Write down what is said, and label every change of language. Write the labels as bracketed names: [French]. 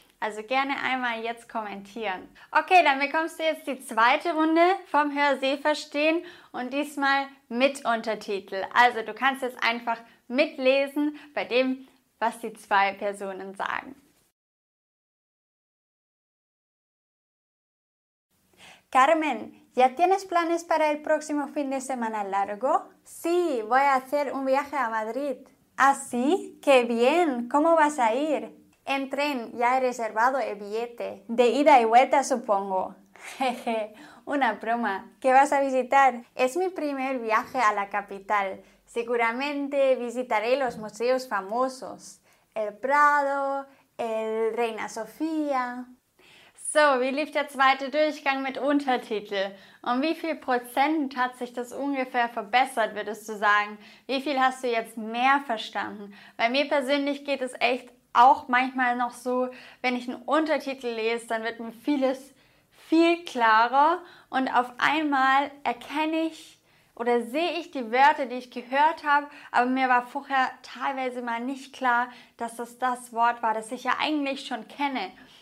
[German] Also gerne einmal jetzt kommentieren. Okay, dann bekommst du jetzt die zweite Runde vom Hör-Seh-Verstehen und diesmal mit Untertitel. Also du kannst jetzt einfach mitlesen bei dem, was die zwei Personen sagen. [Spanish] Carmen, ¿ya tienes planes para el próximo fin de semana largo? Sí, voy a hacer un viaje a Madrid. ¿Ah, sí? ¡Qué bien! ¿Cómo vas a ir? En tren, ya he reservado el billete. De ida y vuelta, supongo. Jeje, una broma. ¿Qué vas a visitar? Es mi primer viaje a la capital. Seguramente visitaré los museos famosos. El Prado, el Reina Sofía... [German] So, wie lief der zweite Durchgang mit Untertitel? Um wie viel Prozent hat sich das ungefähr verbessert, würdest du sagen? Wie viel hast du jetzt mehr verstanden? Bei mir persönlich geht es echt auch manchmal noch so, wenn ich einen Untertitel lese, dann wird mir vieles viel klarer und auf einmal erkenne ich oder sehe ich die Wörter, die ich gehört habe, aber mir war vorher teilweise mal nicht klar, dass das das Wort war, das ich ja eigentlich schon kenne.